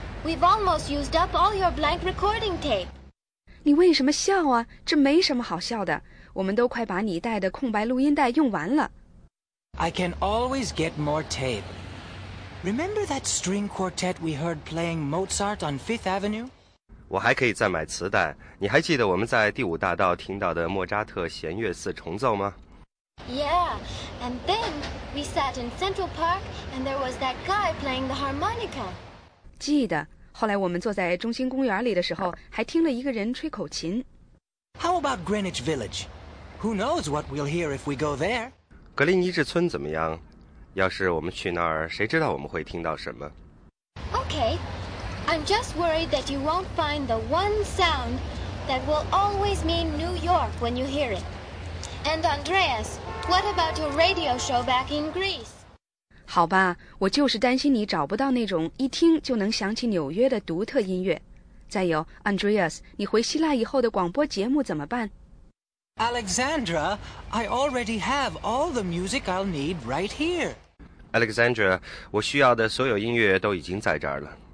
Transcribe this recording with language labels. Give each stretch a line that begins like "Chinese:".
English: We've almost used up all your blank recording tape.
Chinese: 你为什么笑啊？这没什么好笑的，我们都快把你带的空白录音带用完了。
English: I can always get more tape. Remember that string quartet we heard playing Mozart on Fifth Avenue?
Chinese: 我还可以再买磁带。你还记得我们在第五大道听到的莫扎特弦乐四重奏吗？
English: Yeah, and then we sat in Central Park and there was that guy playing the harmonica.
Chinese: 记得，后来我们坐在中心公园里的时候，还听了一个人吹口琴。
English: How about Greenwich Village? Who knows what we'll hear if we go there?
Chinese: 格林尼治村怎么样？要是我们去那儿，谁知道我们会听到什么。
English: OK, I'm just worried that you won't find the one sound that will always mean New York when you hear it. And Andreas, what about your radio show back in Greece?
Chinese: 好吧，我就是担心你找不到那种一听就能想起纽约的独特音乐。再有 Andreas, 你回希腊以后的广播节目怎么办？
English: Alexandra, I already have all the music I'll need right here.
Chinese: Alexandra, 我需要的所有音乐都已经在这儿了。